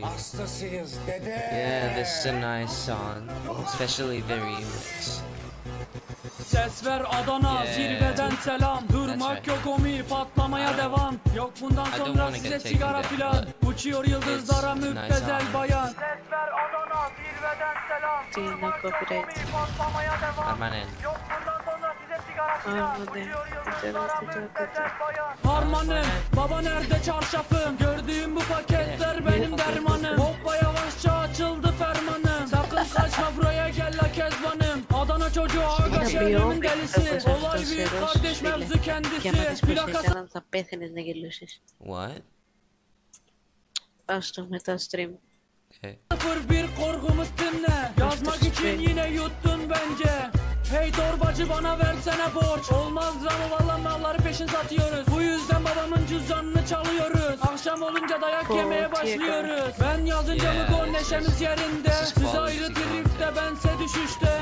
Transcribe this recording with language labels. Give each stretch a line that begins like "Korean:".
English: Yeah, this is a nice song, especially the remix.
Turkish: Ses ver Adana, zirveden selam. Durmak yok omi, patlamaya devam. Yok bundan sonra size sigara filan. Uçuyor yıldızlara müptezel bayan. Ses ver Adana, zirveden selam. Durmak yok omi, patlamaya devam. Armanen. Yok bundan sonra size sigara filan. Uçuyor yıldızlara müptezel bayan. Armanen, baba nerede çarşafın? Gördüğüm bu paketler benim dermanım. Hoppa yavaşça açıldı fermanım. Sakın kaçma buraya gel la kezbanım. Adana çocuğu ağa şehrinin delisi. Olay büyük kardeş mevzu kendisi. Plakası...
Greek: Και θα πέθαινες να γελούσες.
English: What?
Greek: Ας το μετά stream.
English: Okay.
Turkish: Sıfır bir korkumuz dinle. Yazmak için yine yuttun bence. Hey torbacı bana versene borç. Olmaz lan valla malları peşin satıyoruz. Bu yüzden babamın cüzdanını çalıyoruz. Akşam olunca dayak yemeye başlıyoruz. Ben yazınca mı gol neşemiz yerinde. Siz ayrı tripte bense düşüşte.